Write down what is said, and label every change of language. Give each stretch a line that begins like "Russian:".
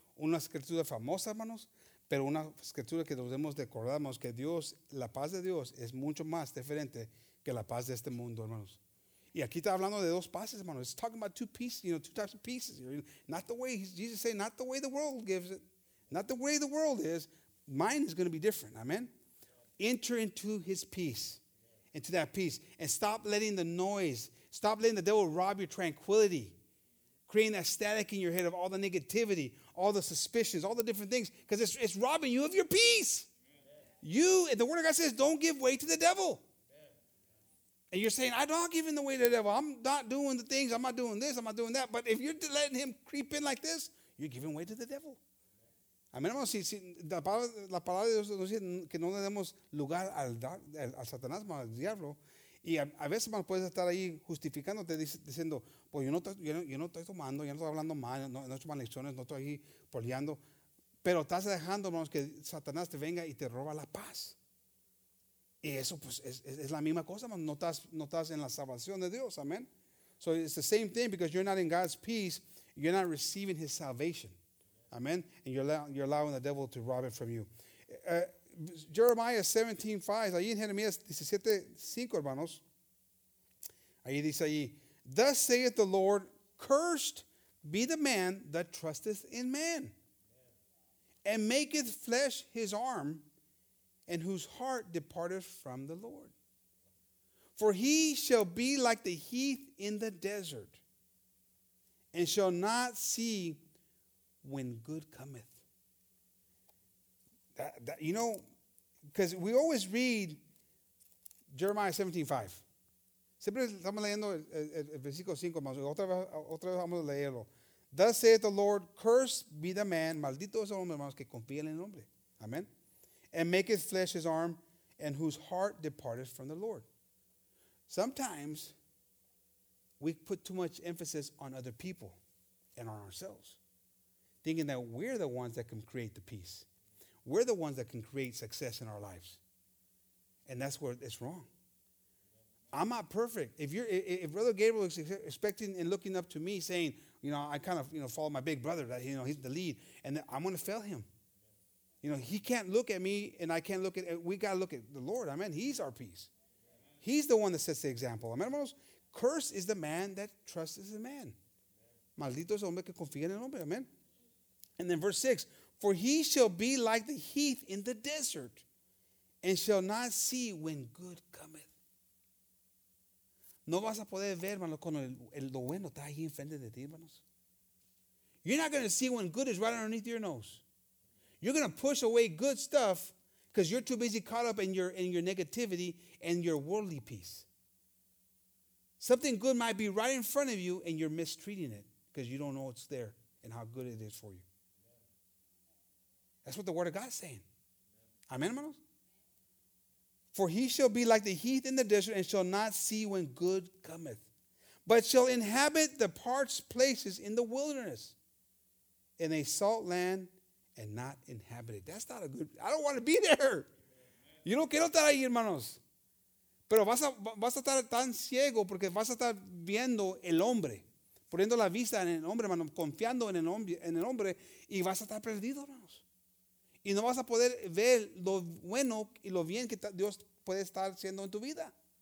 Spanish: Una escritura famosa, hermanos, pero una escritura que debemos recordar, hermanos, que Dios, la paz de Dios es mucho más diferente que la paz de este mundo, hermanos. Y aquí está hablando de dos paces, hermanos.
English: It's talking about two pieces, you know, two types of pieces. Not the way, Jesus said, not the way the world gives it. Not the way the world is. Mine is going to be different, amen. Enter into his peace, into that peace, and stop letting the noise, stop letting the devil rob your tranquility, creating that static in your head of all the negativity, all the suspicions, all the different things, because it's robbing you of your peace. You, and the word of God says, don't give way to the devil. And you're saying, I'm not giving the way to the devil. I'm not doing the things. I'm not doing this. I'm not doing that. But if you're letting him creep in like this, you're giving way to the devil.
Spanish: Amén, hermanos. Si la palabra de Dios nos dice que no le demos lugar al Satanás, al diablo. Y a veces, hermano, puedes estar ahí justificándote, diciendo, pues yo no estoy tomando, yo no estoy hablando mal, no he hecho maldiciones, no estoy ahí poleando. Pero estás dejando, hermanos, que Satanás te venga y te roba la paz. Y eso, pues, es la misma cosa, hermano. No estás en la salvación de Dios, amén.
English: So it's the same thing, because you're not in God's peace, you're not receiving his salvation. Amen. And you're allowing the devil to rob it from you. Jeremiah 17:5,
Spanish: ahí en Jeremías 17:5, hermanos. Ahí dice ahí,
English: thus saith the Lord, cursed be the man that trusteth in man, and maketh flesh his arm, and whose heart departeth from the Lord. For he shall be like the heath in the desert, and shall not see when good cometh. That you know, because we always read Jeremiah 17:5.
Spanish: Siempre estamos leyendo el versículo 5, más otra vez vamos a leerlo.
English: Thus saith the Lord, cursed be the man,
Spanish: maldito es el hombre,
English: hermanos, que confía en el hombre. Amen. And maketh flesh his arm, and whose heart departeth from the Lord. Sometimes we put too much emphasis on other people and on ourselves, thinking that we're the ones that can create the peace. We're the ones that can create success in our lives. And that's where it's wrong. I'm not perfect. If Brother Gabriel is expecting and looking up to me saying, you know, I kind of, you know, follow my big brother, that, you know, he's the lead, and I'm going to fail him. You know, he can't look at me, and I can't look at, we got to look at the Lord. Amen. He's our peace. He's the one that sets the example. Amen, hermanos? Cursed is the man that trusts in man.
Spanish: Maldito es el hombre que confía en el hombre.
English: Amen. And then verse 6, for he shall be like the heath in the desert, and shall not see when good cometh.
Spanish: No vas a poder ver, hermano, cuando lo bueno está ahí enfrente de ti, hermanos.
English: You're not going to see when good is right underneath your nose. You're going to push away good stuff Because you're too busy caught up in your negativity and your worldly peace. Something good might be right in front of you and you're mistreating it because you don't know it's there and how good it is for you. That's what the Word of God is saying. Amen, hermanos? For he shall be like the heath in the desert and shall not see when good cometh, but shall inhabit the parched places in the wilderness in a salt land and not inhabited. That's not a good... I don't want to be there.
Spanish: Yo no quiero estar ahí, hermanos. Pero vas a estar tan ciego porque vas a estar viendo el hombre, poniendo la vista en el hombre, hermano, confiando en el hombre y vas a estar perdido, hermanos. Y no vas a poder ver lo bueno y lo bien que Dios puede estar haciendo en tu vida.